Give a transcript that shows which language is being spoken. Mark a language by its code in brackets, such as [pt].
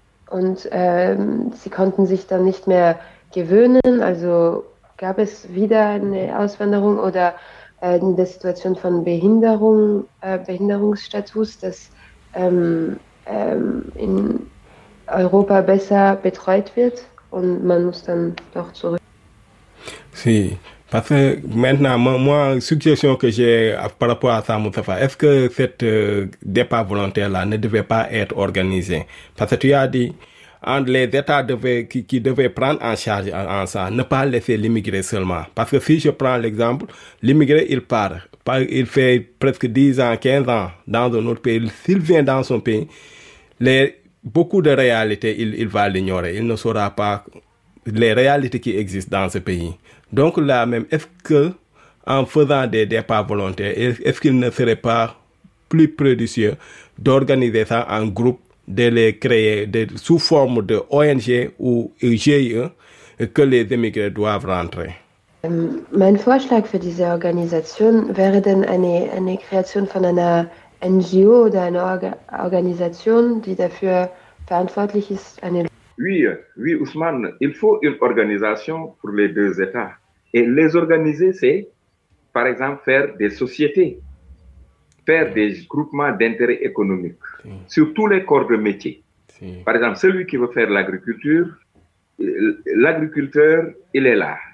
[de] Und sie konnten sich dann nicht mehr gewöhnen, also gab es wieder eine Auswanderung oder in der Situation von Behinderung, Behinderungsstatus, das in Europa besser betreut wird und man muss dann doch zurück. [fr] Si. Parce que maintenant, moi, suggestion que j'ai par rapport à ça, Moustapha, est-ce que cette départ volontaire-là ne devait pas être organisé? Parce que tu as dit, les États qui devaient prendre en charge en ça, ne pas laisser l'immigré seulement. Parce que si je prends l'exemple, l'immigré, il part. Il fait presque 10 ans, 15 ans dans un autre pays. S'il vient dans son pays, beaucoup de réalités, il va l'ignorer. Il ne saura pas les réalités qui existent dans ce pays. Donc là même, est-ce que en faisant des départs volontaires, est-ce qu'il ne serait pas plus prudentieux d'organiser ça en groupe, de les créer sous forme de ONG ou GIE que les immigrés doivent rentrer? [de] Mein Vorschlag für diese Organisation wäre dann eine Kreation von einer NGO oder einer Organisation, die dafür verantwortlich ist, eine. [fr] Oui, Ousmane, il faut une organisation pour les deux États. Et les organiser, c'est, par exemple, faire des sociétés, faire des groupements d'intérêts économiques sur tous les corps de métier. Par exemple, celui qui veut faire l'agriculture, l'agriculteur, il est là.